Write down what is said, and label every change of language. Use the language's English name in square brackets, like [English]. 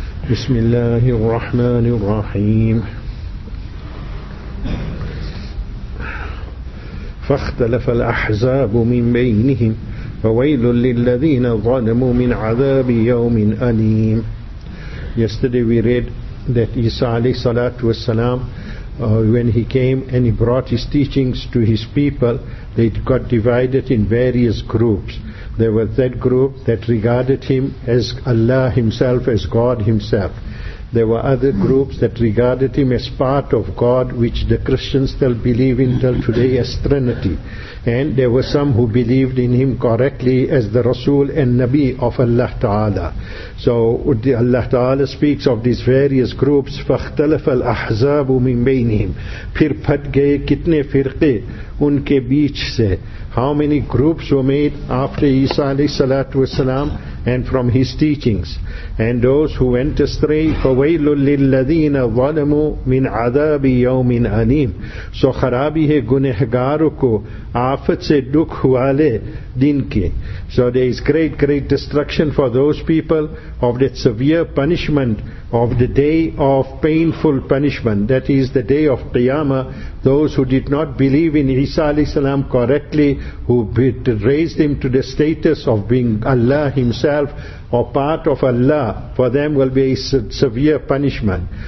[Arabic] بسم الله الرحمن الرحيم. فاختلف الأحزاب من بينهم فويل للذين ظلموا من عذاب يوم أليم. [English] Yesterday we read that Isa alayhi salatu wasalam, when he came and he brought his teachings to his people, they got divided in various groups. There was that group that regarded him as Allah himself, as God himself. There were other groups that regarded him as part of God, which the Christians still believe in till today as Trinity. And there were some who believed in him correctly as the Rasul and Nabi of Allah Ta'ala. So Allah Ta'ala speaks of these various groups. [Arabic] فَاخْتَلَفَ الْأَحْزَابُ مِنْ بَيْنِهِمْ [Urdu] پھر پھٹ گئے کتنے فرقے ان کے بیچ سے. [English] How many groups were made after Isa alayhi salatu wasalam and from his teachings? And those who went astray, [Arabic] فَوَيْلُ لِلَّذِينَ ظَلَمُوا مِنْ عَذَابِ يَوْمٍ أَلِيمٍ. [Urdu] سو خرابی ہے گنہگاروں کو آفت سے دکھ والے دن کے. [English] So there is great, great destruction for those people of that severe punishment of the day of painful punishment. That is the day of Qiyamah. Those who did not believe in Isa alayhi salam correctly, who raised him to the status of being Allah himself or part of Allah, for them will be a severe punishment.